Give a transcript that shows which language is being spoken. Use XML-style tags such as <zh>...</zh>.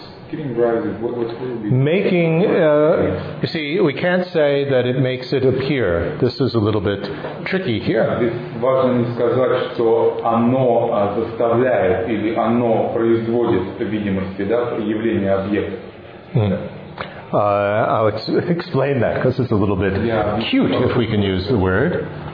<en>Giving rise, what would be? Making, you see, we can't say that it makes it appear. This is a little bit tricky here.</en> <ru>Важно не сказать, что оно заставляет или оно производит видимости, да, явление объекта.</ru> <en>I'll explain that because it's a little bit cute, if we can use the word.</en>